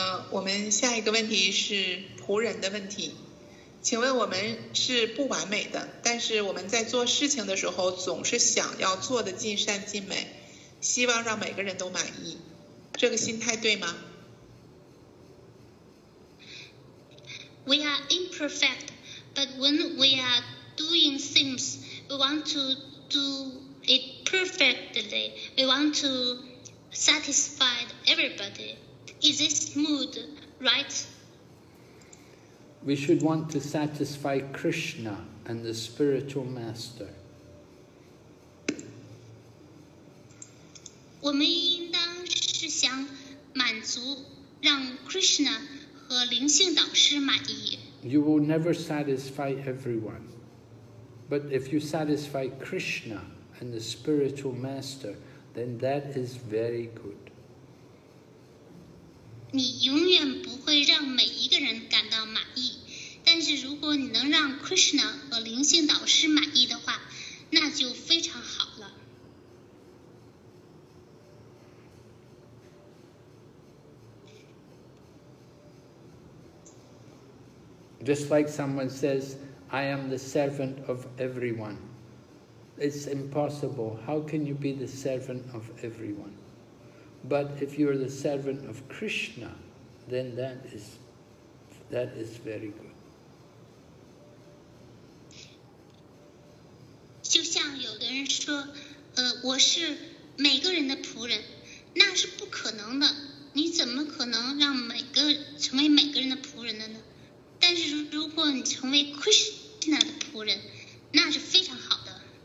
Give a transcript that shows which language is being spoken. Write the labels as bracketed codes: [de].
[zh] 我们下一个问题是仆人的问题，请问我们是不完美的，但是我们在做事情的时候总是想要做的尽善尽美。希望让每个人都满意，这个心态对吗？ [en] We are imperfect, but when we are doing things, we want to do it perfectly. We want to satisfy everybody. Is this mood right? We should want to satisfy Krishna and the spiritual master. [zh] 我们应当是想满足让 Krishna 和灵性导师满意。 [en] You will never satisfy everyone, but if you satisfy Krishna and the spiritual master, then that is very good. [zh] 你永远不会让每一个人感到满意，但是如果你能让 Krishna 和灵性导师满意的话，那就非常好。 [en] Just like someone says, I am the servant of everyone. It's impossible. How can you be the servant of everyone? But if you are the servant of Krishna, then that is very good. [zh] 就像有的人说，我是每个人的仆人，那是不可能的。你怎么可能让每个成为每个人的仆人的呢？但是如果你成为 Krishna 的仆人，那是非常好的。